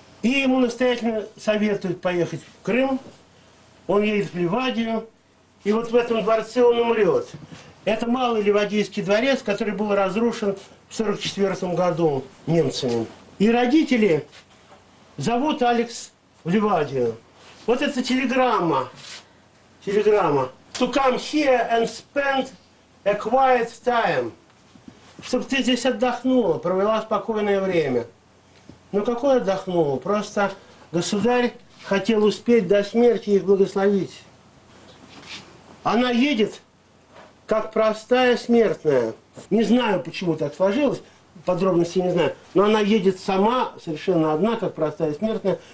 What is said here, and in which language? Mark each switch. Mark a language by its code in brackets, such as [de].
[ru] И ему настоятельно советуют поехать в Крым. Он едет в Ливадию. И вот в этом дворце он умрет. Это Малый Ливадийский дворец, который был разрушен в 1944 году немцами. И родители зовут Алекс в Ливадию. Вот это телеграмма. Телеграмма. [en] To come here and spend a quiet time. [ru] Чтобы ты здесь отдохнула, провела спокойное время. Ну какое отдохнула? Просто государь хотел успеть до смерти их благословить. Она едет как простая смертная. Не знаю, почему так сложилось, подробностей не знаю, но она едет сама, совершенно одна, как простая смертная.